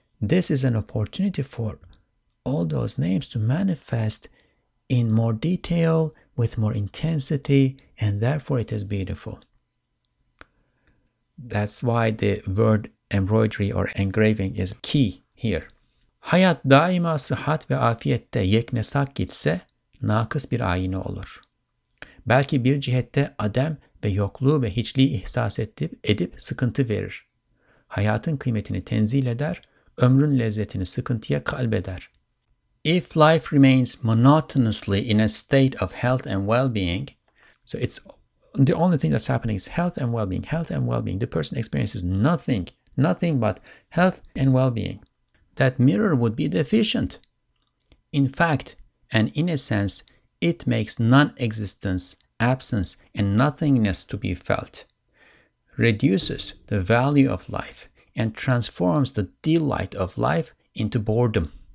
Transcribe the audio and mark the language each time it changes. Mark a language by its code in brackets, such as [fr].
[en] This is an opportunity for all those names to manifest in more detail, with more intensity, and therefore it is beautiful. That's why the word embroidery or engraving is key here. [tr] Hayat daima sıhhat ve afiyette yeknesak gitse, nakıs bir ayine olur. Belki bir cihette adem ve yokluğu ve hiçliği ihsas edip sıkıntı verir. Hayatın kıymetini tenzil eder, ömrün lezzetini sıkıntıya kalbeder. [en] If life remains monotonously in a state of health and well-being, so it's the only thing that's happening is health and well-being. The person experiences nothing but health and well-being. That mirror would be deficient. In fact, and in a sense, it makes non-existence, absence, and nothingness to be felt, reduces the value of life, and transforms the delight of life into boredom.